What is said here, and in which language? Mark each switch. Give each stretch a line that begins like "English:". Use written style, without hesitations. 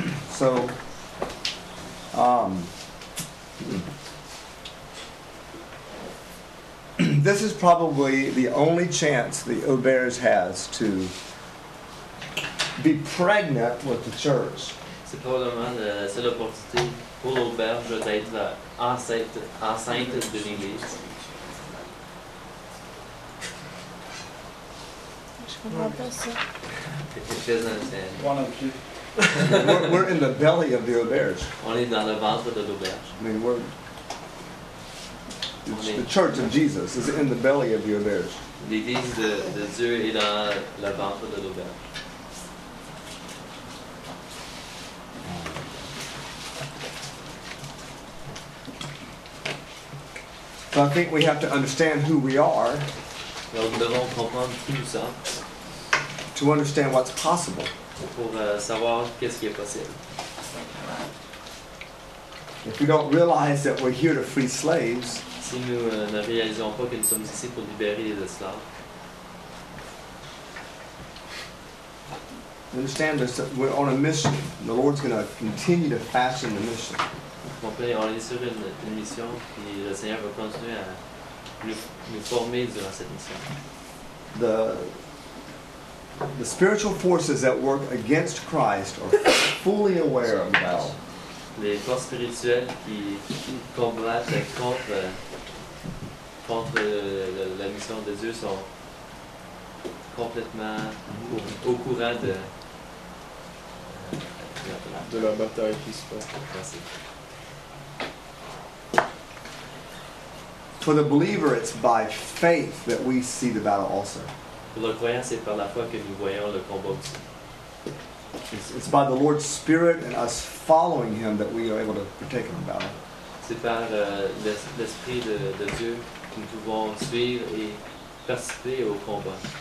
English: So, this is probably the only chance the Auberge has to be pregnant with the church.
French: C'est probablement la seule opportunité pour l'Auberge d'être enceinte de l'Église.
English: We're in the belly of the Auberge.
French: On est dans le ventre de l'Auberge.
English: I mean, we're the Church of Jesus is in the belly of the Auberge.
French: L'Église de Dieu est dans le ventre de l'Auberge.
English: So I think we have to understand who we are.
French: Alors, nous devons comprendre qui nous sommes.
English: To understand what's possible.
French: Pour savoir qu'est-ce qui est possible.
English: If we don't realize that we're here to free slaves,
French: si nous ne réalisons pas que nous sommes ici pour libérer les esclaves,
English: understand that we're on a mission. The Lord's going to continue to fashion the mission.
French: Comprenez, on est sur une mission, et le Seigneur va continuer à nous former durant cette mission.
English: The spiritual forces that work against Christ are fully aware of that.
French: Les forces spirituelles qui combattent contre la mission de Dieu sont complètement au courant de la bataille qui se passe.
English: For the believer, it's by faith that we see the battle also.
French: Pour le croyant, c'est par la foi que nous voyons le combat aussi.
English: It's by the Lord's Spirit and us following Him that we are able to partake in the battle.
French: C'est par l'Esprit de Dieu que nous pouvons suivre et participer au combat.